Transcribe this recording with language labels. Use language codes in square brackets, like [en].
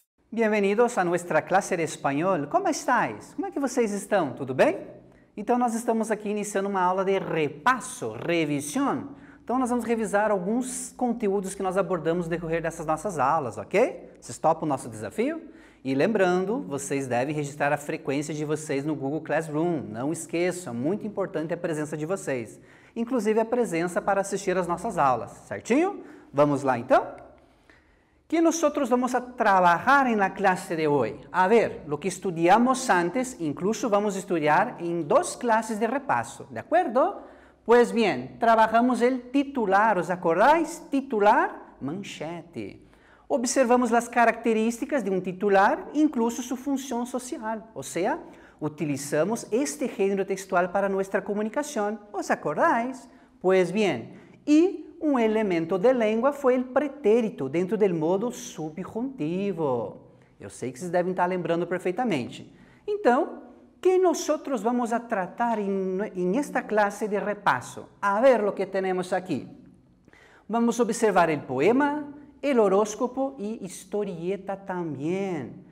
[es] Bienvenidos a nuestra clase de espanhol. Como estáis? [pt] Como é que vocês estão? Tudo bem? Então, nós estamos aqui iniciando uma aula de repasso, revisão. Então, nós vamos revisar alguns conteúdos que nós abordamos no decorrer dessas nossas aulas, ok? Vocês topam o nosso desafio? E lembrando, vocês devem registrar a frequência de vocês no Google Classroom. Não esqueçam, é muito importante a presença de vocês. Inclusive a presença para assistir às nossas aulas, certinho? Vamos lá, então? [es] ¿Qué nosotros vamos a trabajar en la clase de hoy? A ver, lo que estudiamos antes, incluso vamos a estudiar en dos clases de repaso, ¿de acuerdo? Pues bien, trabajamos el titular, ¿os acordáis? Titular, manchete. Observamos las características de un titular, incluso su función social. O sea, utilizamos este género textual para nuestra comunicación, ¿os acordáis? Pues bien, [pt] y um elemento de língua foi o pretérito dentro do modo subjuntivo. Eu sei que vocês devem estar lembrando perfeitamente. Então, o que nós vamos a tratar em esta classe de repasso? A ver o que temos aqui. Vamos observar o poema, o horóscopo e historieta também.